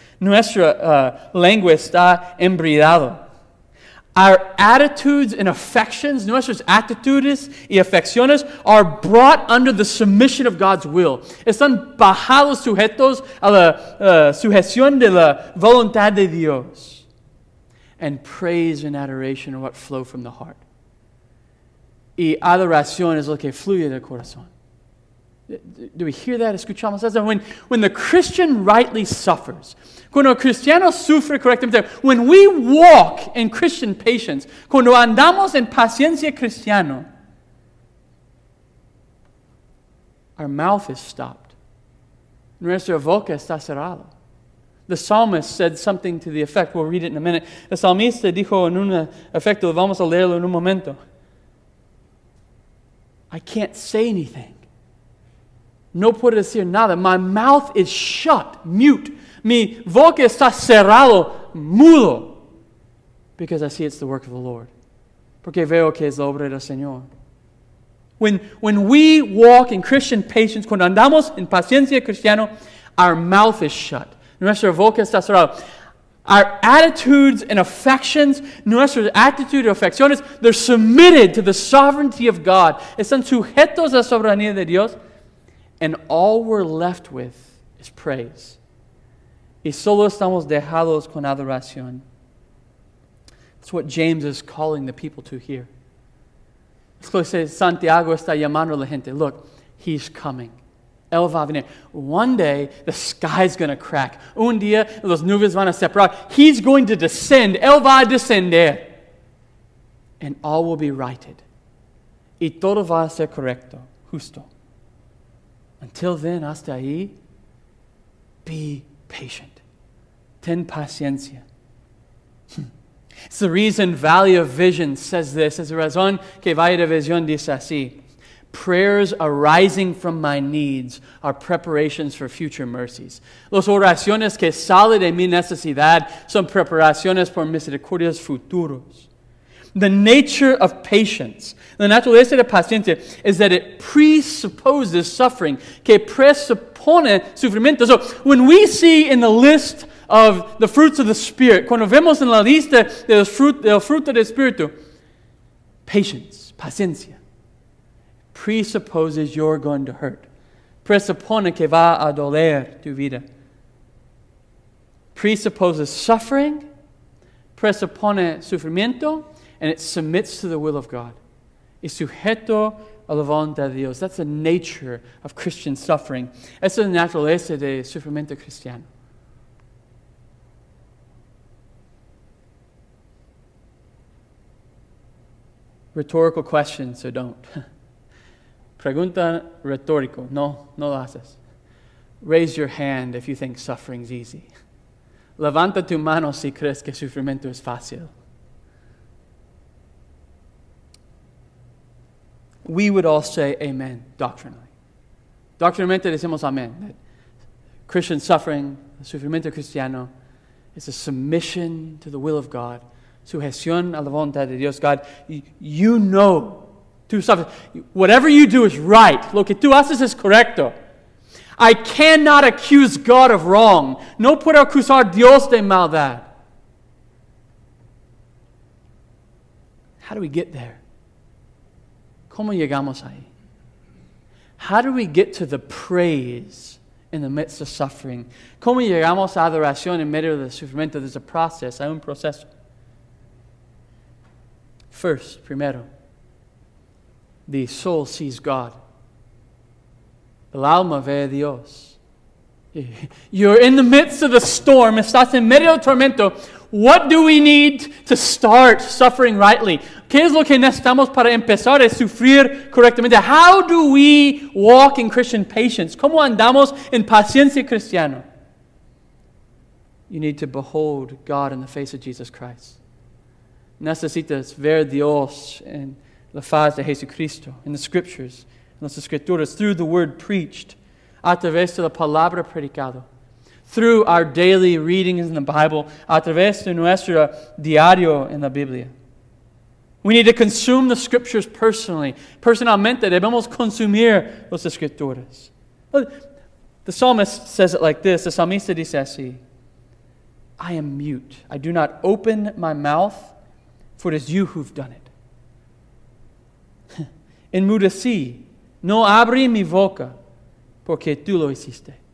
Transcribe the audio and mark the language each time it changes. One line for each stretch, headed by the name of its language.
Spanish: Nuestra lengua está embridada.
English: Our attitudes and affections,
Spanish: nuestras actitudes y afecciones,
English: are brought under the submission of God's will.
Spanish: Están bajados sujetos a la sujeción de la voluntad de Dios.
English: And praise and adoration are what flow from the heart.
Spanish: Y adoración es lo que fluye del corazón.
English: Do we hear that?
Spanish: Escuchamos eso.
English: When the Christian rightly suffers,
Spanish: cuando el cristiano sufre correctamente,
English: when we walk in Christian patience,
Spanish: cuando andamos en paciencia cristiana,
English: our mouth is stopped.
Spanish: Nuestra boca está cerrada.
English: The psalmist said something to the effect, we'll read it in a minute.
Spanish: El salmista dijo en un efecto, vamos a leerlo en un momento.
English: I can't say anything.
Spanish: No puedo decir nada.
English: My mouth is shut, mute.
Spanish: Mi boca está cerrado, mudo.
English: Because I see it's the work of the Lord.
Spanish: Porque veo que es la obra del Señor.
English: When we walk in Christian patience,
Spanish: cuando andamos en paciencia cristiana,
English: our mouth is shut.
Spanish: Nuestra boca está cerrada.
English: Our attitudes and affections,
Spanish: nuestra actitud y afecciones, they're submitted to the sovereignty of God. Están sujetos a la soberanía de Dios.
English: And all we're left with is praise.
Spanish: Y solo estamos dejados con adoración.
English: That's what James is calling the people to hear.
Spanish: Es lo que Santiago está llamando a la gente.
English: Look, he's coming.
Spanish: Él va a venir.
English: One day, the sky's going to crack.
Spanish: Un día, las nubes van a separar.
English: He's going to descend.
Spanish: Él va a descender.
English: And all will be righted.
Spanish: Y todo va a ser correcto, justo.
English: Until then,
Spanish: hasta ahí,
English: be patient.
Spanish: Ten paciencia.
English: It's the reason Valley of Vision says this.
Spanish: Es la razón que Valle de Vision dice así.
English: Prayers arising from my needs are preparations for future mercies.
Spanish: Los oraciones que salen de mi necesidad son preparaciones por misericordias futuras.
English: The nature of patience, the
Spanish: naturaleza de paciencia,
English: is that it presupposes suffering,
Spanish: que presupone sufrimiento.
English: So when we see in the list of the fruits of the Spirit,
Spanish: cuando vemos en la lista del fruto del Espíritu,
English: patience,
Spanish: paciencia,
English: presupposes you're going to hurt.
Spanish: Presupone que va a doler tu vida.
English: Presupposes suffering,
Spanish: presupone sufrimiento,
English: and it submits to the will of God.
Spanish: Es sujeto a la voluntad de Dios.
English: That's the nature of Christian suffering.
Spanish: Esa es la naturaleza de sufrimiento cristiano.
English: Rhetorical question, so don't.
Spanish: Pregunta retórico. No, no lo haces.
English: Raise your hand if you think suffering's easy.
Spanish: Levanta tu mano si crees que sufrimiento es fácil.
English: We would all say amen, doctrinally.
Spanish: Doctrinalmente decimos amen.
English: Christian suffering,
Spanish: sufrimiento cristiano,
English: is a submission to the will of God.
Spanish: Sujeción a la voluntad de Dios.
English: God, you know to suffer. Whatever you do is right.
Spanish: Lo que tú haces es correcto.
English: I cannot accuse God of wrong.
Spanish: No puedo acusar Dios de maldad.
English: How do we get there?
Spanish: ¿Cómo llegamos ahí?
English: How do we get to the praise in the midst of suffering?
Spanish: ¿Cómo llegamos a adoración en medio del sufrimiento?
English: There's a process,
Spanish: hay un proceso.
English: First,
Spanish: primero,
English: the soul sees God.
Spanish: El alma ve a Dios.
English: You're in the midst of the storm,
Spanish: estás en medio del tormento.
English: What do we need to start suffering rightly?
Spanish: ¿Qué es lo que necesitamos para empezar a sufrir correctamente?
English: How do we walk in Christian patience?
Spanish: ¿Cómo andamos en paciencia cristiana?
English: You need to behold God in the face of Jesus Christ.
Spanish: Necesitas ver Dios en la faz de Jesucristo,
English: in the scriptures,
Spanish: en las escrituras,
English: through the word preached,
Spanish: a través de la palabra predicado.
English: Through our daily readings in the Bible,
Spanish: a través de nuestro diario en la Biblia.
English: We need to consume the scriptures personally.
Spanish: Personalmente, debemos consumir las escrituras.
English: The psalmist says it like this. The psalmista
Spanish: dice así,
English: I am mute. I do not open my mouth, for it is you who've done it.
Spanish: Enmudecí, no abrí mi boca, porque tú lo hiciste.